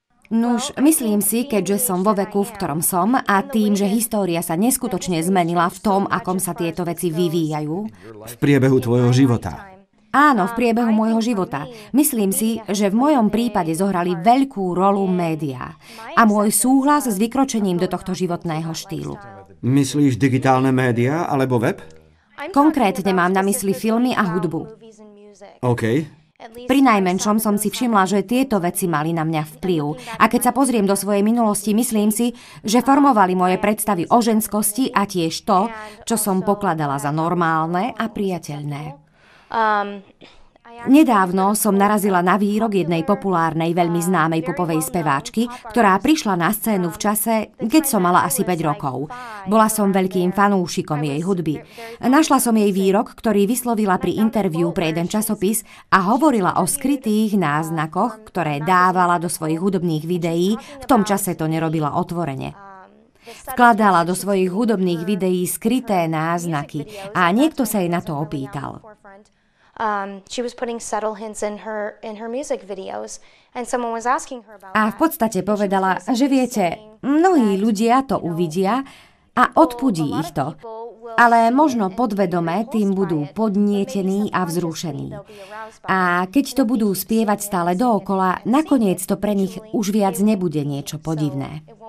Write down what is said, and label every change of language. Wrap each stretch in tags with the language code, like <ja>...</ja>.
<sk>Nuž, myslím si, keďže som vo veku, v ktorom som, a tým, že história sa neskutočne zmenila v tom, akom sa tieto veci vyvíjajú. V priebehu tvojho života. Áno, v priebehu môjho života. Myslím si, že v mojom prípade zohrali veľkú rolu médiá a môj súhlas s vykročením do tohto životného štýlu. Myslíš digitálne médiá alebo web? Konkrétne mám na mysli filmy a hudbu. OK. Prinajmenšom som si všimla, že tieto veci mali na mňa vplyv. A keď sa pozriem do svojej minulosti, myslím si, že formovali moje predstavy o ženskosti a tiež to, čo som pokladala za normálne a priateľné. Nedávno som narazila na výrok jednej populárnej, veľmi známej popovej speváčky, ktorá prišla na scénu v čase, keď som mala asi 5 rokov. Bola som veľkým fanúšikom jej hudby. Našla som jej výrok, ktorý vyslovila pri interviu pre jeden časopis a hovorila o skrytých náznakoch, ktoré dávala do svojich hudobných videí, v tom čase to nerobila otvorene. Vkladala do svojich hudobných videí skryté náznaky a niekto sa jej na to opýtal.</sk> <en>She was putting subtle hints in her music videos and someone was asking her about that.</en> <sk>A v podstate povedala, že viete, mnohí ľudia to uvidia a odpudí ich to. Ale možno podvedome tým budú podnietení a vzrušení. A keď to budú spievať stále dookola, nakoniec to pre nich už viac nebude niečo podivné.</sk>